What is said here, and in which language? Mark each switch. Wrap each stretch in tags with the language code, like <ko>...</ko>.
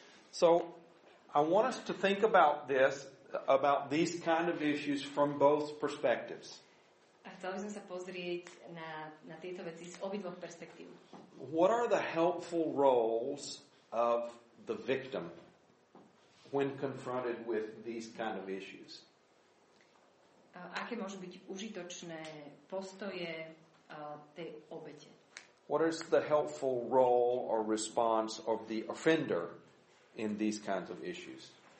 <en>So I want us to think about this, about these kind of issues from both perspectives.</en> <sk>A chcel by som sa pozrieť na tieto veci z obidvoch perspektív.</sk> <en>What are the helpful roles of the victim when confronted with these kind of issues?</en> <sk>Aké môžu byť užitočné postoje tej obete?</sk> <en>What is the helpful role or response of the offender in these kinds of issues?</en>